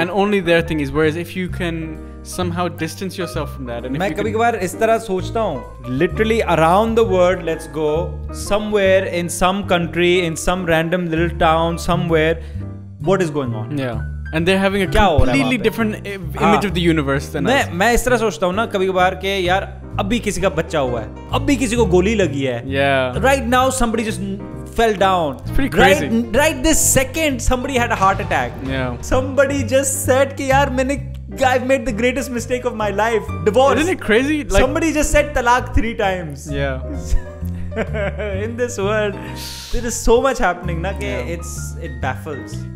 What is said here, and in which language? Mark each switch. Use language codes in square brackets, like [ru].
[en] And only their thing is, whereas if you can somehow distance yourself from that. And if you can... [hi] is tarah sochta hun. [en] Literally around the world, let's go somewhere in some country, in some random little town, somewhere. What is going on? Yeah. And they're having a completely different image of the universe than us. [hi] मैं इस तरह सोचता हूँ ना कभी कभार के यार अभी किसी का बच्चा हुआ है अभी किसी को गोली लगी है [en] yeah. Right now somebody just fell down. It's pretty crazy. Right this second somebody had a heart attack. Yeah. Somebody just said [hi] कि यार मैंने [en] I've made the greatest mistake of my life. Divorce. Isn't it crazy? Like, somebody just said talaq 3 times. Yeah. In this world, there is so much happening na ke it baffles.